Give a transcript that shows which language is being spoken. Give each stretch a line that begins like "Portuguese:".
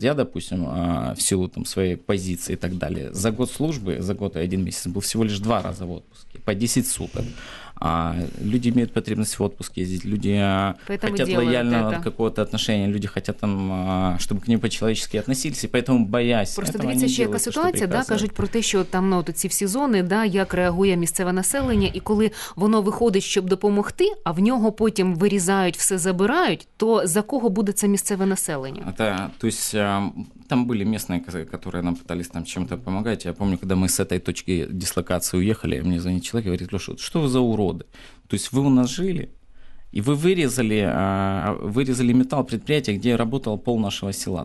Russian: Вот я, допустим, в силу там своей позиции и так далее, за год службы, за год и один месяц был всего лишь два раза в отпуске, по 10 суток. А люди имеют потребность в отпуске ездить, люди поэтому хотят лояльного это. Какого-то отношения, люди хотят там, чтобы к ним по-человечески относились, и поэтому боясь просто этого не делают,
Ukrainian: просто дивіться, яка ситуація, да, кажуть про те, що там, ну, от ці всі зони, да, як реагує місцеве населення, і коли воно виходить, щоб допомогти, а в нього потім вирізають, все забирають, то за кого буде це місцеве населення? Тобто,
Russian: там были местные, которые нам пытались там чем-то помогать. Я помню, когда мы с этой точки дислокации уехали, мне звонит человек и говорит: Леша, что вы за уроды? То есть вы у нас жили, и вы вырезали металл предприятия, где работал пол нашего села.